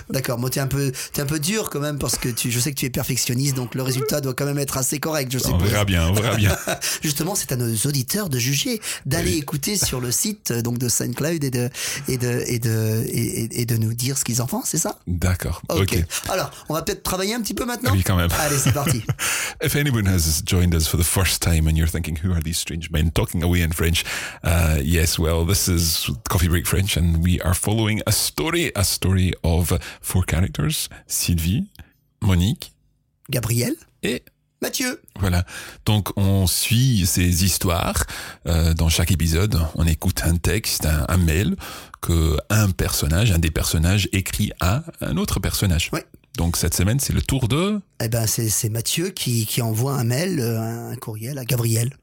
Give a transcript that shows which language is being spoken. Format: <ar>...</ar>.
<fr>D'accord, moi, t'es un peu dur quand même parce que je sais que tu es perfectionniste, donc le résultat doit quand même être assez correct, je suppose. On verra bien, on verra bien. Justement, c'est à nos auditeurs de juger, d'aller écouter sur le site donc de SoundCloud et de nous dire ce qu'ils en font, c'est ça? D'accord. Okay. Alors, on va peut-être travailler un petit peu maintenant. Oui, quand même. Allez, c'est parti.</fr> <en>If anyone has joined us for the first time and you're thinking, who are these strange men talking away in French? Yes, well, this is Coffee Break French, and we are following a story of 4 characters: Sylvie, Monique, Gabriel</en> <fr>et Mathieu. Voilà, donc on suit ces histoires. Dans chaque épisode, on écoute un texte, un mail que un des personnages écrit à un autre personnage. Ouais. Donc cette semaine, c'est le tour de... Eh ben, c'est Mathieu qui envoie un mail, un courriel à Gabriel.</fr>